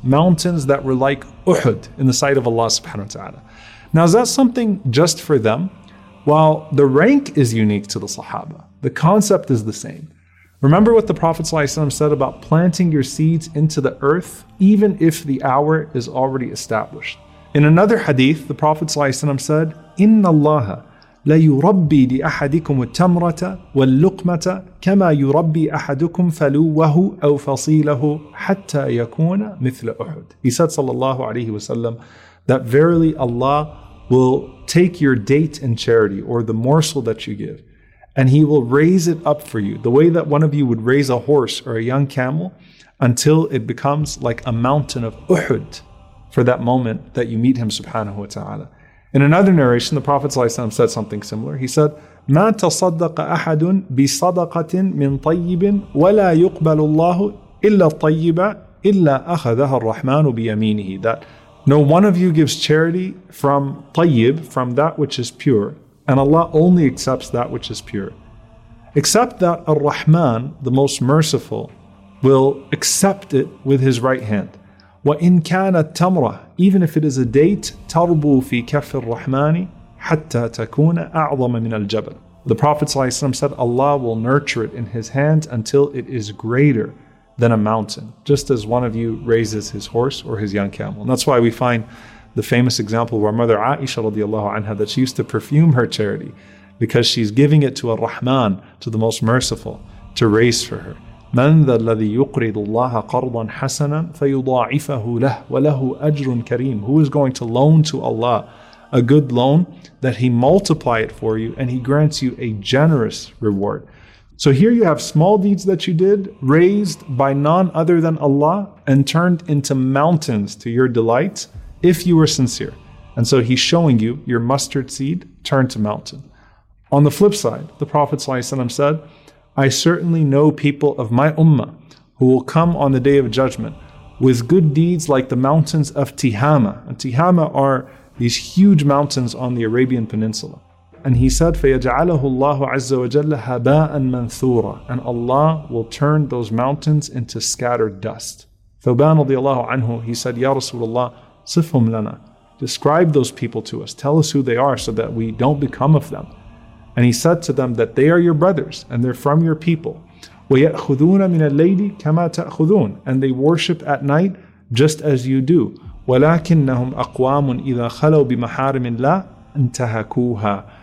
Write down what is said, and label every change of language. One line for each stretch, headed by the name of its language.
English: Mountains that were like Uhud in the sight of Allah subhanahu wa ta'ala. Now, is that something just for them? While the rank is unique to the Sahaba, the concept is the same. Remember what the Prophet ﷺ said about planting your seeds into the earth, even if the hour is already established. In another hadith, the Prophet ﷺ said,
Arabic: إِنَّ اللَّهَ لَيُرَبِّي لِأَحَدِكُمُ التَّمْرَةَ وَاللُّقْمَةَ كَمَا يُرَبِّي أَحَدُكُمْ فَلُوَّهُ أَوْ فَصِيلَهُ حَتَّى يَكُونَ مِثْلَ أُحُدٍ.
English: He said, sallallahu alayhi wa sallam, that verily Allah will take your date in charity, or the morsel that you give, and He will raise it up for you, the way that one of you would raise a horse or a young camel, until it becomes like a mountain of Uhud for that moment that you meet Him subhanahu wa ta'ala. In another narration, the Prophet ﷺ said something similar. He said,
Arabic: مَا تَصَدَّقَ أَحَدٌ بِصَدَقَةٍ مِّن طَيِّبٍ وَلَا يُقْبَلُ اللَّهُ إِلَّا الطَّيِّبَ إِلَّا أَخَذَهَا الرَّحْمَانُ بِيَمِينِهِ,
English: that no one of you gives charity from طَيِّب, from that which is pure, and Allah only accepts that which is pure. except that Ar-Rahman, the most merciful, will accept it with his right hand.
Arabic: وَإِن كَانَتْ تَمْرَةً,
English: even if it is a date,
Arabic: تَرْبُو فِي كَفِّ الرَّحْمَانِ حَتَّى تَكُونَ أَعْظَمَ مِنَ الْجَبَلِ.
English: The Prophet ﷺ said, Allah will nurture it in his hands until it is greater than a mountain, just as one of you raises his horse or his young camel. And that's why we find the famous example of our mother Aisha radiallahu anha, that she used to perfume her charity because she's giving it to Ar-Rahman, to the most merciful, to raise for her.
Arabic: مَنْ ذَا الَّذِي يُقْرِضُ اللَّهَ قَرْضًا حَسَنًا فَيُضَاعِفَهُ لَهُ وَلَهُ أَجْرٌ كَرِيمٌ.
English: Who is going to loan to Allah a good loan that he multiply it for you and he grants you a generous reward. So here you have small deeds that you did, raised by none other than Allah and turned into mountains to your delight if you were sincere. And so he's showing you your mustard seed turned to mountain. On the flip side, the Prophet ﷺ said, I certainly know people of my ummah who will come on the day of judgment with good deeds like the mountains of Tihama. And Tihama are these huge mountains on the Arabian Peninsula. And he said,
Arabic: فَيَجْعَلَهُ اللَّهُ عَزَّ وَجَلَّ هَبَاءً مَنْثُورًا.
English: And Allah will turn those mountains into scattered dust.
Arabic: ثُوبَانَ رَضِيَ اللَّهُ عَنْهُ,
English: he said,
Arabic: يَا رَسُولَ اللَّهِ صِفْهُمْ لَنَا.
English: Describe those people to us. Tell us who they are so that we don't become of them. And he said to them that they are your brothers and they're from your people.
Arabic: وَيَأْخُذُونَ مِنَ اللَّيْلِ كَمَا تَأْخُذُونَ.
English: And they worship at night just as you do.
Arabic: وَلَكِنَّهُمْ أَقْوَامٌ إِذَا خَلَوْا بِمَحَارِمِ اللَّهِ انْتَهَكُوهَا.